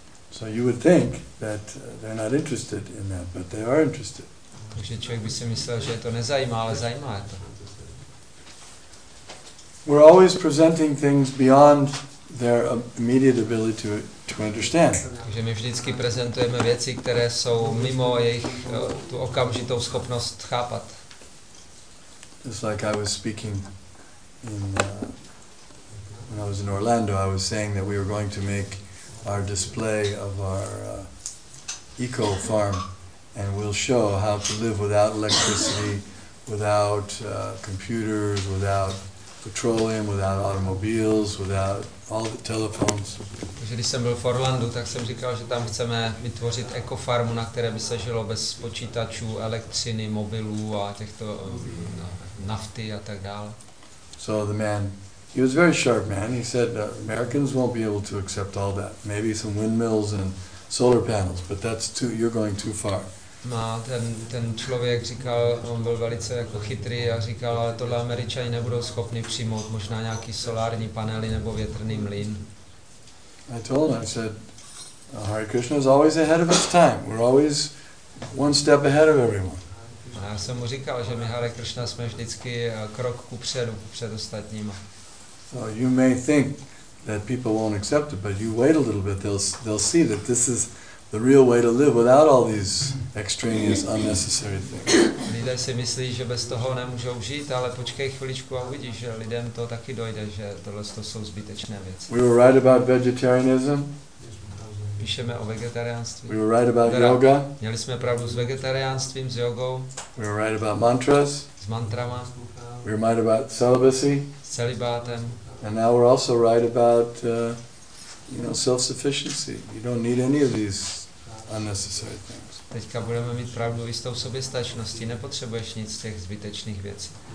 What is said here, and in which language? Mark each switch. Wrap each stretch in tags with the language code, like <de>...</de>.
<en>So you would think that they're not interested in that, but they are interested.</en> <cs>Takže člověk by si myslel, že je to nezajímá, ale zajímá je to.</cs> <en>We're always presenting things beyond their immediate ability to understand.</en> <cs>Takže my vždycky prezentujeme věci, které jsou mimo jejich tu okamžitou schopnost chápat.</cs> <en>It's like I was speaking in when I was in Orlando, I was saying that we were going to make our display of our eco farm, and we'll show how to live without electricity, without computers, without petroleum, without automobiles, without all the telephones.</en> <cs>Když jsem byl v Orlandu, tak jsem říkal, že tam chceme vytvořit ekofarmu, na které by se žilo bez počítačů, elektřiny, mobilů a těchto nafty a tak dál.</cs> <en>So the man, he was a very sharp man. He said Americans won't be able to accept all that. Maybe some windmills and solar panels, but that's too, you're going too far.</en> <cs>No, ten člověk říkal, on byl velice jako chytrý a říkal, ale tohle Američani nebudou schopni přijmout, možná nějaký solární panely nebo větrný mlýn.</cs> <en>I told him, I said, Hare Krishna is always ahead of its time. We're always one step ahead of everyone.</en> <cs>A já jsem mu říkal, že my Hare Krishna jsme vždycky krok kupředu před ostatníma.</cs> <en>So you may think that people won't accept it, but you wait a little bit, they'll see that this is the real way to live without all these extraneous, unnecessary things.</en> <cs>Lidé si myslí, že bez toho nemůžou žít, ale počkej chviličku a uvidíš, že lidem to taky dojde, že tohle to jsou zbytečné věci.</cs> <en>We were right about vegetarianism.</en> <cs>Píšeme o vegetariánství.</cs> <en>We were right about yoga.</en> <cs>Měli jsme pravdu s vegetariánstvím, s jogou.</cs> <en>We were right about mantras.</en> <cs>S mantrama.</cs> <en>We were right about celibacy.</en> <cs>S celibátem.</cs> <en>And now we're also right about self-sufficiency. You don't need any of these unnecessary things.</en> <cs>Teďka budeme mít pravdu i s tou soběstačností. Nepotřebuješ nic z těch zbytečných věcí.</cs>